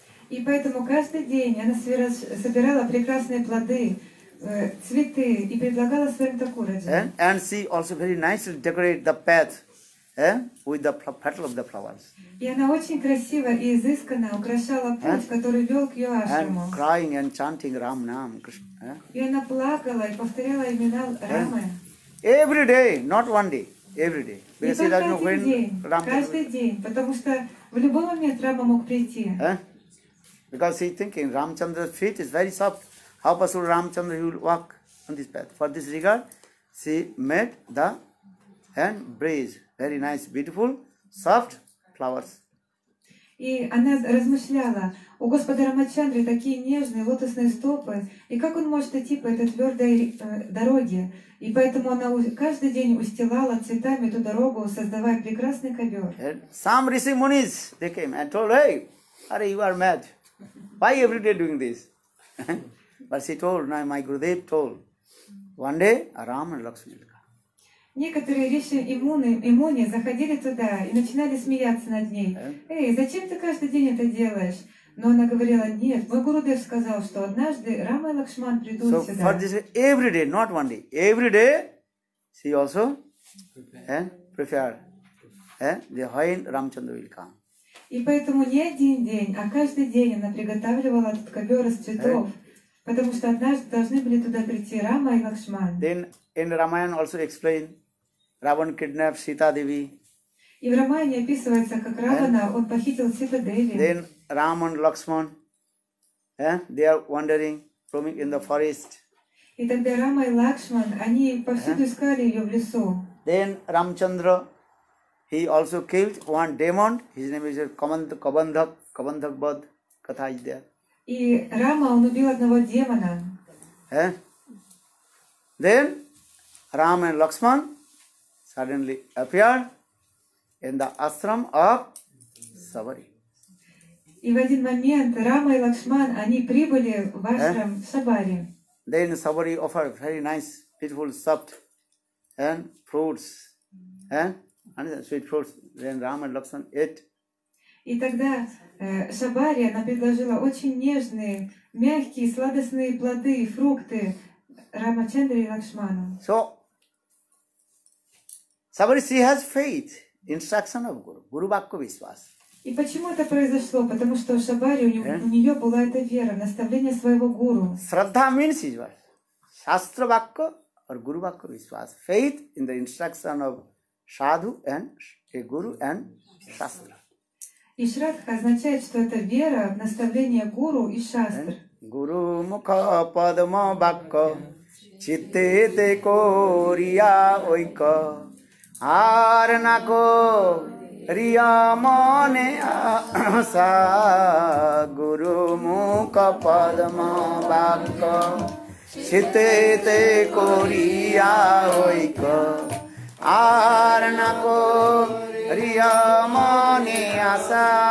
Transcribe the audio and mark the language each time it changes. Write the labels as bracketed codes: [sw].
[ru] И поэтому каждый день она собирала прекрасные плоды, цветы и предлагала своим Thakurji. [en] And she also very nicely decorated the path. With the petal of the flowers. [ru] И она очень красиво и изысканно украшала путь, который вел к ее ашраму. [en] And crying and chanting Ram Nam Krishna. [ru] И она плакала и повторяла имена Рамы. [en] Every day, not one day, every day. Because [ru] каждый день, [en] when Ram [ru] каждый день, потому что в любой момент Рама мог прийти. [en] Because she thinking Ramchandra's feet is very soft. How possible Ramchandra will walk on this path? For this regard, she made the bridge. Very nice, beautiful, soft flowers. [ru] И она размышляла, у Господа Рамачандры такие нежные лотосные стопы, и как он может идти по этой твердой дороге? И поэтому она каждый день устилала цветами эту дорогу, создавая прекрасный ковер. [en] And some rishi munis, they came and told, hey, Hare, you are mad. Why every day doing this? But she told, now my Gurudev told, one day, Ram and Lakshmi. [ru] Некоторые риши и муни заходили туда и начинали смеяться над ней. Эй, зачем ты каждый день это делаешь? Но она говорила, нет, мой Гурудев сказал, что однажды Рама и Лакшман придут [en] so [ru] сюда. [en] So for this every day, not one day, every day, she also prepared the when Рамачандра will come. [ru] И поэтому не один день, а каждый день она приготавливала этот ковер из цветов, потому что однажды должны были туда прийти Рама и Лакшман. [en] Then in Ramayana also explain Ravan kidnapped Sita Devi. [ru] И в Рамаяне описывается, как Равана он похитил Сита Деви. [en] Then Ram and Lakshman, they are wandering, roaming in the forest. [ru] И тогда Рама и Лакшман, они повсюду искали ее в лесу. [en] Then Ramchandra, he also killed one demon. His name is Kabandhakbad. Katha is there. [ru] И Рама он убил одного демона. [en] Then Ram and Lakshman suddenly appear in the ashram of Sabari. [ru] И в один момент Рама и Лакшман они прибыли в ашрам Сабари. [en] Then Sabari offer very nice, beautiful, soft fruits, and sweet fruits. Then Ram and Lakshman ate. [ru] И тогда Сабари она предложила очень нежные, мягкие, сладостные плоды и фрукты Рамачандре и Лакшману. [en] So Sabari, she has faith, instruction of Guru, Guru Bhakko Vishwas. [ru] И почему это произошло? Потому что Шабари, у нее была эта вера, наставление своего Гуру. [en] Shraddha means his word. Shastra Bhakko or Guru Bhakko Vishwas. Faith in the instruction of Sadhu and a Guru and Shastra. [ru] И Shraddha означает, что это вера, наставление Гуру и Shastra. [bn] Guru Mukha Padma Bhakko Chitte Te Koriya Oika আর না কো রিয়া মনে আসা গুরু মুখ পদ্ম বাক্য শীতেতে করিয়া হইক আর না কো রিয়া মনে আসা